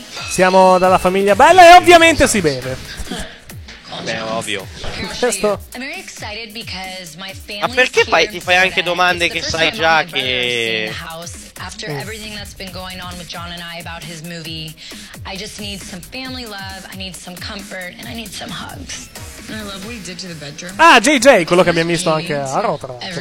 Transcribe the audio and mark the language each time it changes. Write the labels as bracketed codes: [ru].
[it] Siamo dalla famiglia bella e ovviamente si beve. Beh, ovvio. Questo. Ma perché ti fai anche domande che sai già che... [en] After everything that's been going on with John and I about his movie, I just need some family love, I need some comfort, and I need some hugs. And I love what he did to the bedroom. [it] Ah, JJ, quello che abbiamo visto anche a Rotterdam.